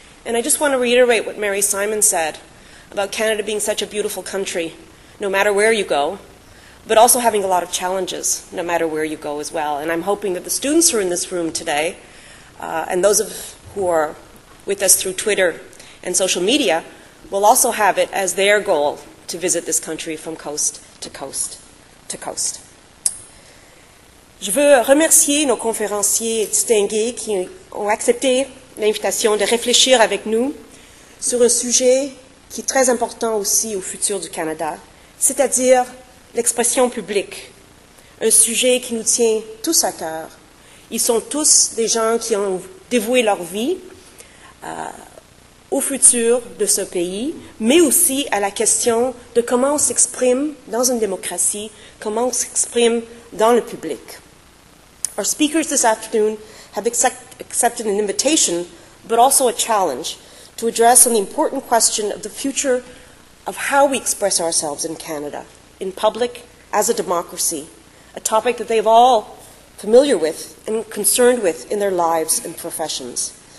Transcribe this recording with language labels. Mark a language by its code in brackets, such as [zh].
[en] And I just want to reiterate what Mary Simon said about Canada being such a beautiful country, no matter where you go, but also having a lot of challenges, no matter where you go as well. And I'm hoping that the students who are in this room today, and those of who are with us through Twitter and social media, will also have it as their goal to visit this country from coast to coast to coast. [fr] Je veux remercier nos conférenciers distingués qui ont accepté l'invitation de réfléchir avec nous sur un sujet qui est très important aussi au futur du Canada, c'est-à-dire l'expression publique, un sujet qui nous tient tous à cœur. Ils sont tous des gens qui ont dévoué leur vie au futur de ce pays, mais aussi à la question de comment on s'exprime dans une démocratie, comment on s'exprime dans le public. [en] Our speakers this afternoon have accepted an invitation, but also a challenge, to address an important question of the future of how we express ourselves in Canada, in public, as a democracy, a topic that they've all familiar with and concerned with in their lives and professions.